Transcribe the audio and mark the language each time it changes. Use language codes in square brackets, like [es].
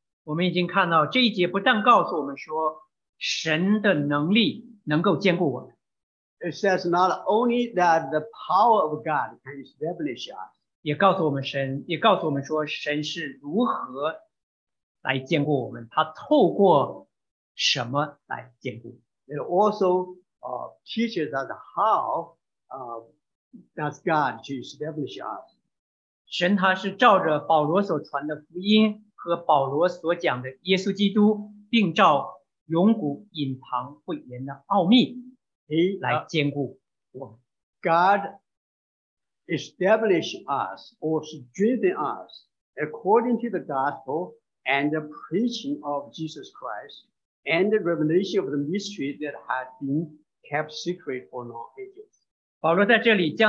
[zh] 我们已经看到这一节不但告诉我们说神的能力能够坚固我们。 [en] It says not only that the power of God can establish us. [zh] 也告诉我们神说神是如何来坚固我们, 祂透过什么来坚固。 [en] It also teaches us how does God to establish us. [zh] 神祂是照着保罗所传的福音和保罗所讲的耶稣基督, 并照永古隐藏不言的奥秘。 [en] God established us or strengthened us according to the gospel and the preaching of Jesus Christ and the revelation of the mystery that had been kept secret for long ages.